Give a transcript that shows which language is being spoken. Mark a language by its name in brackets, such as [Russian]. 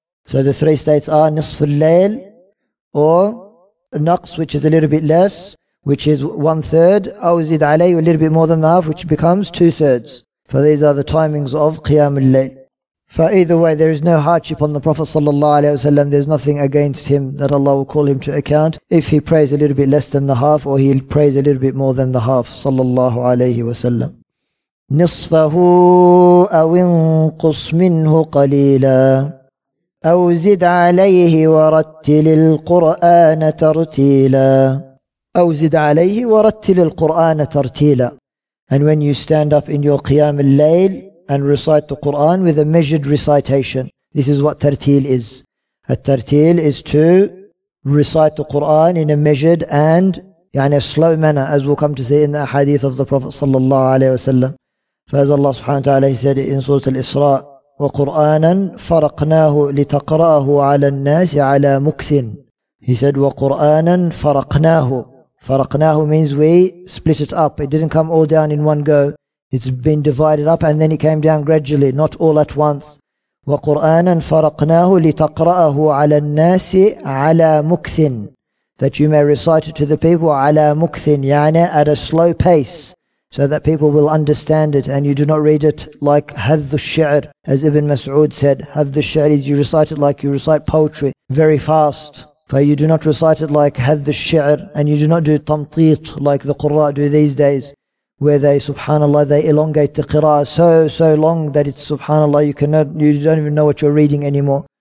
[English] So the three states are nisf al-layl, or naqs, which is a little bit less, which is one-third, [Arabic] aw zid alayhi, [English] a little bit more than the half, which becomes two-thirds. For these are the timings of qiyam al-layl. For either way, there is no hardship on the Prophet sallallahu alayhi wa sallam. There's nothing against him that Allah will call him to account if he prays a little bit less than the half, or he prays a little bit more than the half, sallallahu alayhi wa sallam. [Arabic] نصفه أو انقص منه قليلا أو زد عليه ورتل القرآن ترتيلا أو زد عليه ورتل القرآن ترتيلا. [English] And when you stand up in your Qiyam al-Layl and recite the Quran with a measured recitation, this is what tartil is. A tartil is to recite the Quran in a measured and يعني a slow manner, as we'll come to see in the hadith of the Prophet sallallahu alayhi wa sallam. [Arabic] فأز الله سبحانه وتعالى [English] said in Surah [Arabic] الإسراء وقرآنا فرقناه لتقرأه على الناس على مكث. [English] He said [Arabic] وقرآنا فرقناه. فرقناه [English] means we split it up. It didn't come all down in one go. It's been divided up and then it came down gradually, not all at once. [Arabic] وقرآنا فرقناه لتقرأه على الناس على مكث. [English] That you may recite it to the people [Arabic] على مكث, يعني [English] at a slow pace, so that people will understand it, and you do not read it like [Arabic] هَذُّ الشِّعْرِ. [English] As Ibn Mas'ud said, [Arabic] هَذُّ الشِّعْرِ [English] is you recite it like you recite poetry, very fast. For you do not recite it like [Arabic] هَذُّ الشِّعْرِ, [English] and you do not do تَمْطِيط like the Qurra do these days, where they, subhanAllah, they elongate the qira'ah so long that it's, subhanAllah, you don't even know what you're reading anymore.